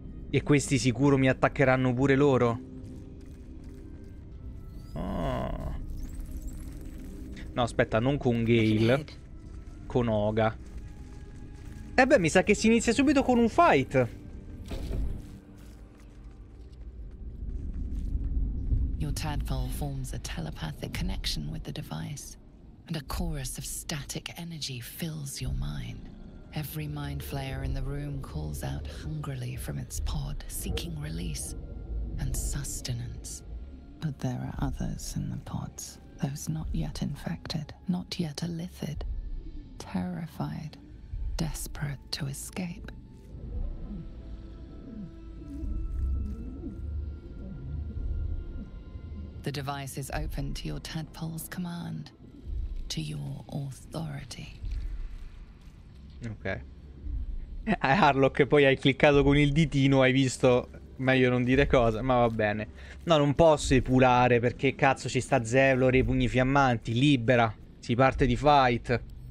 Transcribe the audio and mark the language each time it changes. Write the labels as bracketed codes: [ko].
[it] E questi sicuro mi attaccheranno pure loro. No, aspetta, non con Gale, con Oga. E beh, mi sa che si inizia subito con un fight. [en] Your tadpole forms a telepathic connection with the device, and a chorus of static energy fills your mind. Every mind flayer in the room calls out hungrily from its pod, seeking release and sustenance. But there are others in the pods, those not yet infected, not yet alithid, terrified, desperate to escape. The device is open to your tadpole's command, to your authority. Ok. [it] Harlock, poi hai cliccato con il ditino, hai visto. Meglio non dire cosa, ma va bene. No, non posso epurare perché cazzo ci sta Zevlor e i pugni fiammanti. Libera. Si parte di fight.